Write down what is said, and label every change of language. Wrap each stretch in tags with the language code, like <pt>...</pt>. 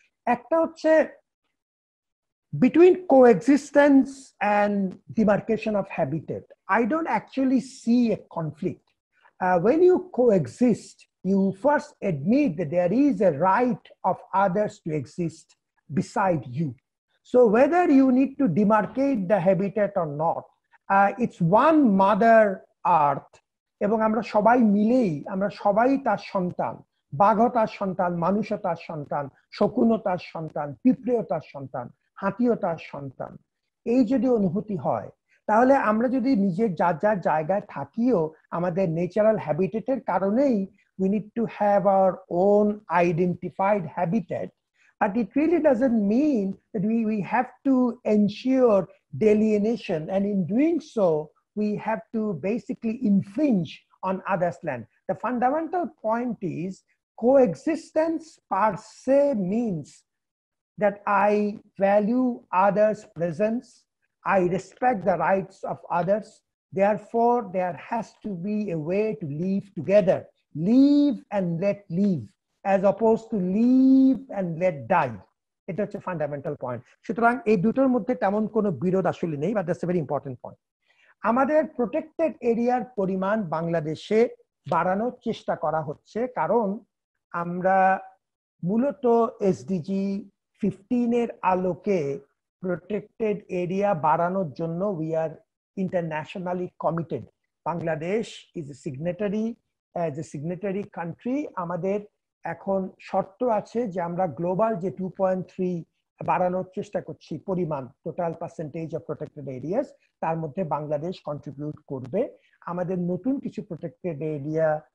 <bn>একটা হচ্ছে</bn> <en>Between coexistence and demarcation of habitat, I don't actually see a conflict. When you coexist, you first admit that there is a right of others to exist beside you. So whether you need to demarcate the habitat or not, it's one mother earth.</en> <bn>এবং আমরা সবাই মিলেই, আমরা সবাই তার সন্তান, বাঘ তার সন্তান, মানুষ তার সন্তান, শকুনও তার সন্তান, পিঁপড়েও তার সন্তান, হাতিও তার সন্তান, এই যদি অনুভূতি হয় তাহলে আমরা যদি নিজের যার যার জায়গায় থাকিও আমাদের ন্যাচারাল হ্যাবিটেটের কারণেই</bn> <en>We need to have our own identified habitat but it really doesn't mean that we have to ensure ডেলিয়েনেশন and in doing so we have to basically ইনফ্রিঞ্জ on others land the fundamental point is coexistence per say means that I value others' presence, I respect the rights of others, therefore there has to be a way to live together. Live and let live, as opposed to live and let die. It is a fundamental point.</en> <bn>Shutrang, ei dutor moddhe temon kono birodh ashole nei,</bn> <en>but that's a very important point.</en> <bn>Amader protected area-r poriman Bangladeshe barano chesta kora hocche, karon amra muloto SDG 15 এর আলোকে protected area বাড়ানোর জন্য</bn> <en>we are internationally committed Bangladesh is a signatory as a signatory country</en> <bn>আমাদের এখন শর্ত আছে যে আমরা গ্লোবাল যে 2.3 বাড়ানোর চেষ্টা করছি পরিমাণ</bn> <en>total percentage of protected areas</en> <bn>তার মধ্যে বাংলাদেশ কন্ট্রিবিউট করবে আমাদের নতুন কিছু প্রোটেক্টেড এরিয়া</bn>